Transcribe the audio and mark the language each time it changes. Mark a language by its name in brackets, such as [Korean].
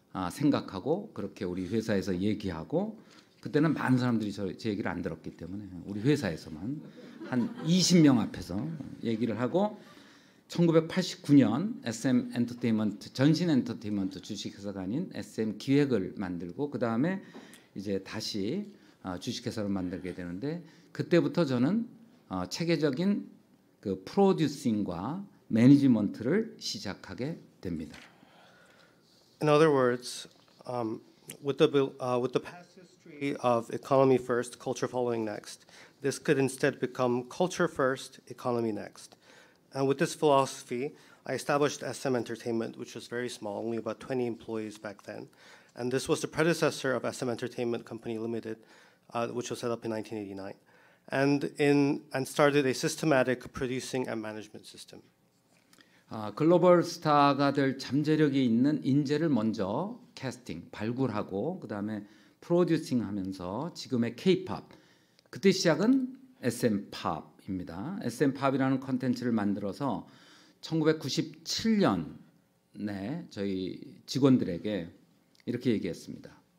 [Korean] 생각하고 그렇게 우리 회사에서 얘기하고 그때는 많은 사람들이 저 제 얘기를 안 들었기 때문에 우리 회사에서만 한 20명 앞에서 얘기를 하고 1989년 SM 엔터테인먼트 전신 엔터테인먼트 주식회사가 아닌 SM 기획을 만들고 그 다음에 이제 다시 주식회사를 만들게 되는데 그때부터 저는 체계적인 그 프로듀싱과 매니지먼트를 시작하게 됩니다. [English] In other words, with the past history of economy first, culture following next, this could instead become culture first, economy next. And with this philosophy, I established SM Entertainment, which was very small, only about 20 employees back then. And this was the predecessor of SM Entertainment Company Limited, which was set up in 1989, and started a systematic producing and management system. [Korean] 글로벌 스타가 될 잠재력이 있는 인재를 먼저 캐스팅, 발굴하고 그 다음에 프로듀싱하면서 지금의 K-POP, 그때 시작은 SM팝입니다. SM팝이라는 콘텐츠를 만들어서 1997년에 저희 직원들에게 이렇게 얘기했습니다.